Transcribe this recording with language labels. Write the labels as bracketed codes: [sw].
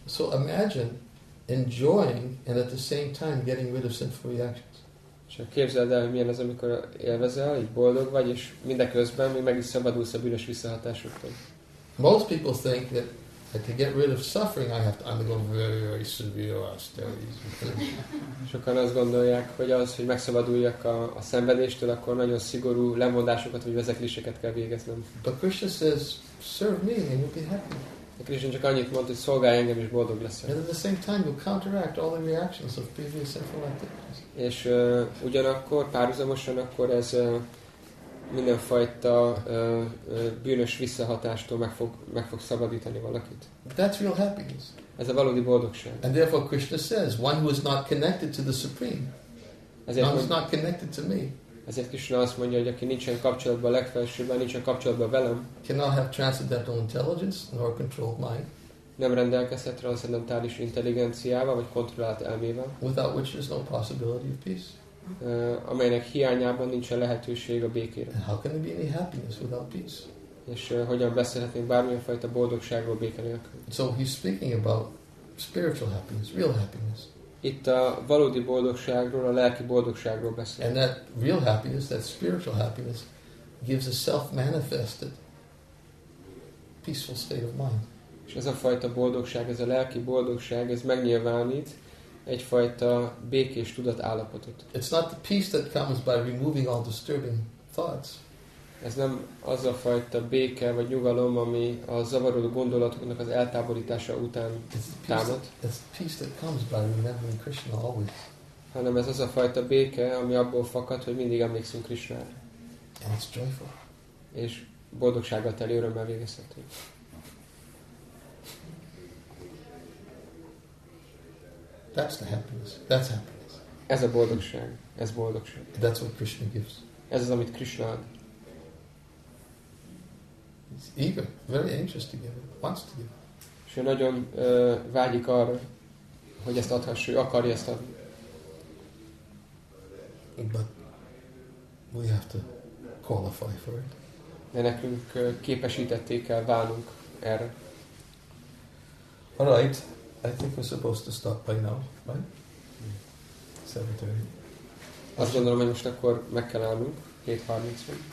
[en] So imagine enjoying and at the same time getting rid of sinful reactions. [hu] És képzeld el, hogy milyen az, amikor élvezel, így boldog vagy, és mindeközben még meg is szabadulsz a bűnös visszahatásoktól. [en] Most people think that to get rid of suffering, I have to undergo very, very severe austerities. [hu] Sokan azt gondolják, hogy az, hogy megszabaduljak a szenvedéstől, akkor nagyon szigorú lemondásokat vagy vezetéseket kell végeznem. [en] But Krishna says, serve me and you'll be happy. [hu] De Krishna csak annyit mond, hogy szolgálj engem és boldog leszel. [en] And at the same time, you'll counteract all the reactions of previous sinful activities. [hu] És ugyanakkor, párhuzamosan akkor ez mindenfajta bűnös visszahatástól meg fog szabadítani valakit. [en] That's real happiness. [hu] Ez a valódi boldogság. [en] And therefore Krishna says, one who is not connected to the Supreme, [hu] ezért [en] one who is not connected to me, [hu] ezért Krishna azt mondja, hogy aki nincsen kapcsolatban a legfelsőbben, nincsen kapcsolatban velem, [en] cannot have transcendental intelligence nor controlled mind, [hu] nem rendelkezhet transzendentális intelligenciával vagy kontrollált elmével, [en] without which there is no possibility of peace, [hu] amelynek hiányában nincsen lehetőség a békére. [en] And how can there be any happiness without peace? [hu] És hogyan beszélhetnénk bármilyen fajta boldogságról béke nélkül? [en] So he's speaking about spiritual happiness, real happiness. [hu] Itt a valódi boldogságról, a lelki boldogságról beszél. [en] And that real happiness, that spiritual happiness, gives a self-manifested peaceful state of mind. [hu] És ez a fajta boldogság, ez a lelki boldogság, ez megnyilvánít egyfajta békés tudat állapotot. [en] It's not the peace that comes by removing all disturbing thoughts. [hu] Ez nem az a fajta béke vagy nyugalom, ami a zavarodó gondolatoknak az eltávolítása után támad. [en] It's the peace that comes by remembering Krishna always. [hu] Hanem ez az a fajta béke, ami abból fakad, hogy mindig emlékszünk Krishnára. [en] And it's joyful. [hu] És boldogsággal teli örömmel végezhető. [en] That's the happiness. That's happiness. [hu] Ez a boldogság. Ez boldogság. [en] That's what Krishna gives. [hu] Ez az, amit Krishna ad. [en] He's eager, very anxious to give it, wants to give it. [hu] És ő nagyon vágyik arra, hogy ezt adhassa, akarja ezt adni. [en] But we have to qualify for it. [hu] De nekünk képesítették kell válnunk erre. [en] All right. I think we're supposed to stop by now, right? 7:30. [hu] Azt gondolom, hogy most akkor meg kell állnunk, 7:30.